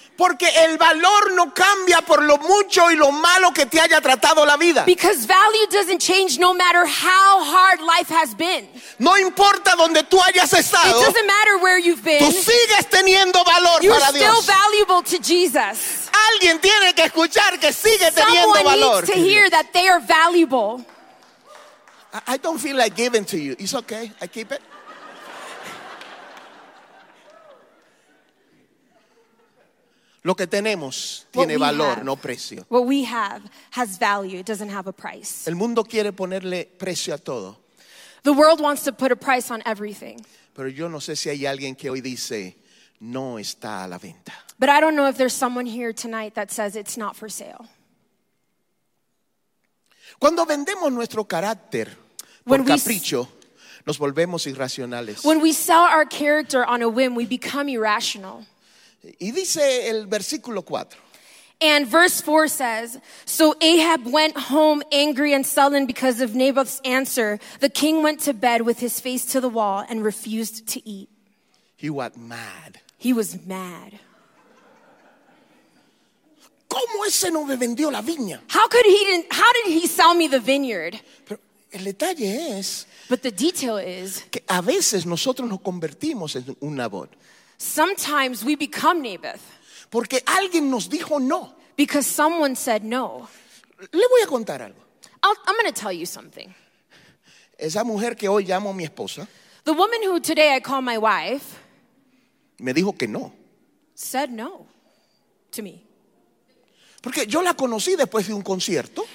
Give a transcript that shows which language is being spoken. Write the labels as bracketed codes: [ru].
[es] Porque el valor no cambia por lo mucho y lo malo que te haya tratado la vida. [en] Because value doesn't change no matter how hard life has been. [es] No importa donde tú hayas estado. [en] It doesn't matter where you've been. [es] Tú sigues teniendo valor [en] You're [es] para Dios. [en] You're still valuable to Jesus. [es] Alguien tiene que escuchar que sigue teniendo [en] Someone [es] valor. [en] Someone needs to hear that they are valuable. I don't feel like giving to you. It's okay. I keep it. [es] Lo que tenemos tiene valor, no precio. [en] What we have has value. It doesn't have a price. [es] El mundo quiere ponerle precio a todo. [en] The world wants to put a price on everything. [es] Pero yo no sé si hay alguien que hoy dice, no está a la venta. [en] But I don't know if there's someone here tonight that says it's not for sale. [es] Cuando vendemos nuestro carácter por capricho, nos volvemos irracionales. [en] When we sell our character on a whim, we become irrational. [es] Y dice el versículo 4. [en] And verse 4 says, So Ahab went home angry and sullen because of Naboth's answer. The king went to bed with his face to the wall and refused to eat. He was mad. He was mad. [es] ¿Cómo ese no me vendió la viña? [en] How did he sell me the vineyard? [es] Pero el detalle es, [en] but the detail is, [es] que a veces nosotros nos convertimos en un Naboth. [en] Sometimes we become Naboth. [es] Porque alguien nos dijo no. [en] Because someone said no. [es] Le voy a contar algo. [en] I'm going to tell you something. [es] Esa mujer que hoy llamo mi esposa, [en] the woman who today I call my wife, [es] me dijo que no. [en] Said no to me. [es] Porque yo la conocí después de un concierto.